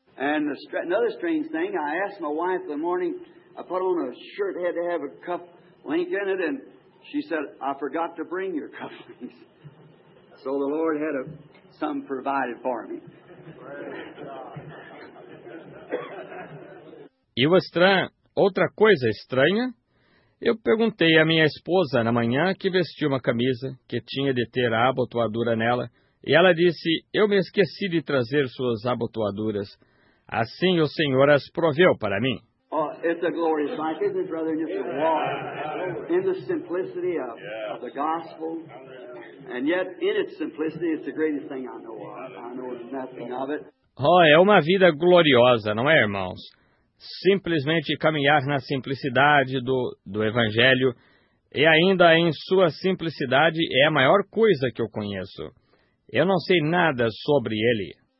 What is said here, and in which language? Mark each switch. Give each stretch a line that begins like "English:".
English: And another strange thing, I asked my wife in the morning, I put on a shirt, had to have a cuff link in it, and she said, I forgot to bring your cuff links. So the Lord had some provided for me.
Portuguese: E o estranho, outra coisa estranha, eu perguntei à minha esposa na manhã que vestiu uma camisa que tinha de ter a abotoadura nela, e ela disse, eu me esqueci de trazer suas abotoaduras, assim o Senhor as proveu para mim.
English: Oh, it's a glorious life, isn't it, brother? Just walk in the simplicity of the gospel, and yet in its simplicity, it's the greatest thing I know of. I know nothing of it.
Portuguese: Oh, é uma vida gloriosa, não é, irmãos? Simplesmente caminhar na simplicidade do Evangelho, e ainda em sua simplicidade, é a maior coisa que eu conheço. Eu não sei nada sobre ele.